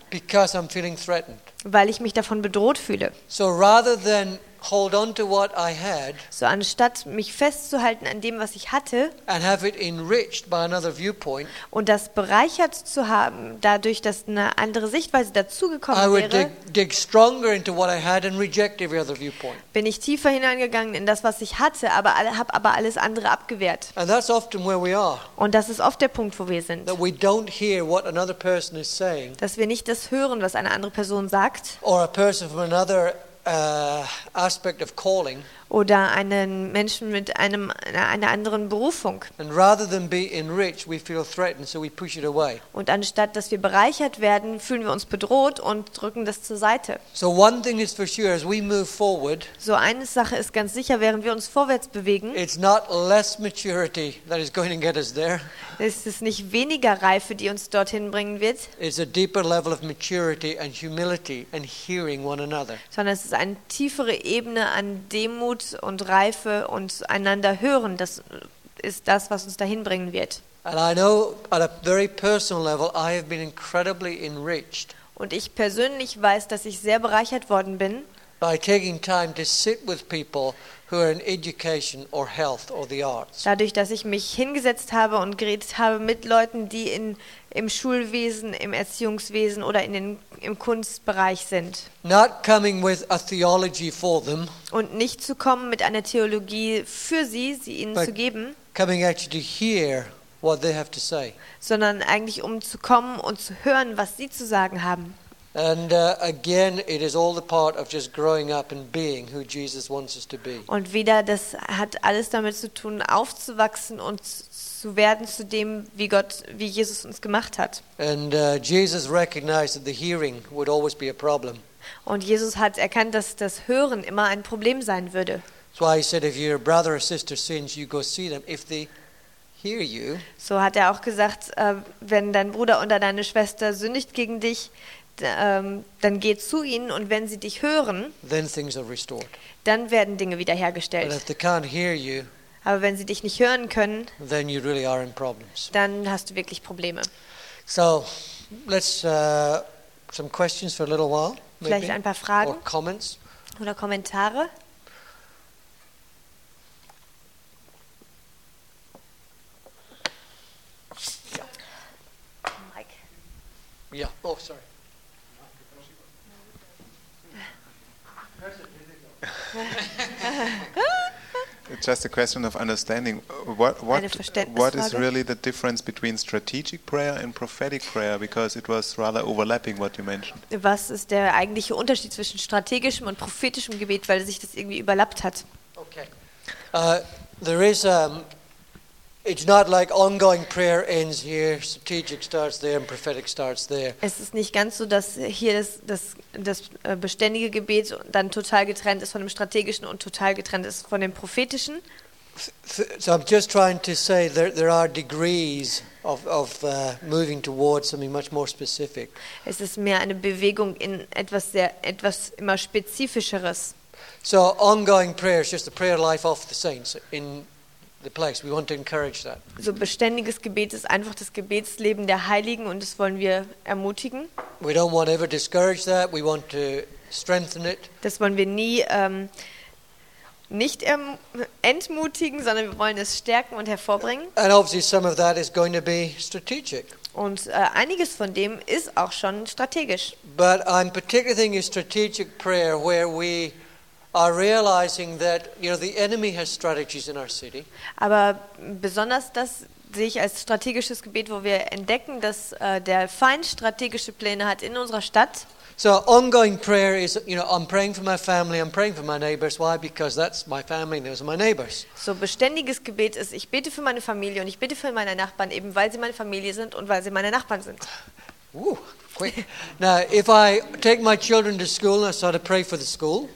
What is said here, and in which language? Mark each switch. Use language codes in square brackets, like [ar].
[en] Because I'm feeling threatened. [de] Weil ich mich davon bedroht fühle. [en] So rather than hold on to what I had. [de] So anstatt mich festzuhalten an dem, was ich hatte, [en] and have it enriched by another viewpoint, [de] und das bereichert zu haben, dadurch, dass eine andere Sichtweise dazugekommen wäre, [en] dig stronger into what I had and reject every other viewpoint. [de] Bin ich tiefer hineingegangen in das, was ich hatte, aber habe aber alles andere abgewehrt. [en] And that's often where we are. [de] Und das ist oft der Punkt, wo wir sind. [en] That we don't hear what another person is saying. [de] Dass wir nicht das hören, was eine andere Person sagt. [en] Or a person from another aspect of calling, [de] oder einen Menschen mit einer anderen Berufung. [en] And rather than be enriched, we feel threatened, so we push it away. [de] Und anstatt dass wir bereichert werden, fühlen wir uns bedroht und drücken das zur Seite. [en] So one thing is for sure, as we move forward. [de] So eine Sache ist ganz sicher, während wir uns vorwärts bewegen. [en] It's not less maturity that is going to get us there. [de] Es ist nicht weniger Reife, die uns dorthin bringen wird. [en] It's a deeper level of maturity and humility and hearing one another. [de] Sondern es ist eine tiefere Ebene an Demut und Reife und einander hören, das ist das, was uns dahin bringen wird. [en] And I know at a very personal level I have been incredibly enriched. [de] Und ich persönlich weiß, dass ich sehr bereichert worden bin. [en] By taking time to sit with people who are in education or health or the arts. [de] Dadurch, dass ich mich hingesetzt habe und geredet habe mit Leuten, die im Schulwesen, im Erziehungswesen oder im Kunstbereich sind. [en] Not coming with a theology for them. [de] Und nicht zu kommen mit einer Theologie für sie ihnen zu geben. [en] Coming actually to hear what they have to say. [de] Sondern eigentlich um zu kommen und zu hören, was sie zu sagen haben. [en] And again, it is all the part of just growing up and being who Jesus wants us to be. [de] Und wieder, das hat alles damit zu tun, aufzuwachsen und zu werden zu dem, wie Jesus uns gemacht hat. [en] And Jesus recognized that the hearing would always be a problem. [de] Und Jesus hat erkannt, dass das Hören immer ein Problem sein würde. [en] That's why he said, if your brother or sister sins, you go see them. If they hear you. [de] So hat er auch gesagt, wenn dein Bruder oder deine Schwester sündigt gegen dich, dann geh zu ihnen und wenn sie dich hören, [en] then things are restored. [de] Dann werden Dinge wiederhergestellt. [en] But if they can't hear you, [de] aber wenn sie dich nicht hören können, [en] then you really are in problems. [de] Dann hast du wirklich Probleme. [en] So, let's some questions for a little while. Maybe, [de] vielleicht ein paar Fragen [en] or comments. [de] Oder Kommentare. [en] Mike. Ja, yeah. Oh, sorry. Just a question of understanding. What is really the difference between strategic prayer and prophetic prayer? Because it was rather overlapping what you mentioned. [de] Was ist der eigentliche Unterschied zwischen strategischem und prophetischem Gebet, weil sich das irgendwie überlappt hat? [en] Okay. There is. It's not like ongoing prayer ends here, strategic starts there, and prophetic starts there. [de] Es ist nicht ganz so, dass hier das beständige Gebet dann total getrennt ist von dem strategischen und total getrennt ist von dem prophetischen. [en] So I'm just trying to say there are degrees of moving towards something much more specific. [de] Es ist mehr eine Bewegung in etwas immer spezifischeres. [en] So ongoing prayer is just the prayer life of the saints in the place. We want to encourage that. [de] So beständiges Gebet ist einfach das Gebetsleben der Heiligen und das wollen wir ermutigen. [en] We don't want to ever discourage that. We want to strengthen it. [de] Das wollen wir nie nicht entmutigen, sondern wir wollen es stärken und hervorbringen. [en] And obviously some of that is going to be strategic. [de] Und einiges von dem ist auch schon strategisch. [en] But I'm particularly thinking strategic prayer where we are realizing that, you know, the enemy has strategies in our city. [de] Aber besonders das sehe ich als strategisches Gebet, wo wir entdecken, dass der Feind strategische Pläne hat in unserer Stadt. [en] So ongoing prayer is, you know, I'm praying for my family, I'm praying for my neighbors. Why? Because that's my family and those are my neighbors. [de] So beständiges Gebet ist, ich bete für meine Familie und ich bete für meine Nachbarn, eben weil sie meine Familie sind und weil sie meine Nachbarn sind. [en] Ooh, quick. Now, if I take my children to school and I start to pray for the school.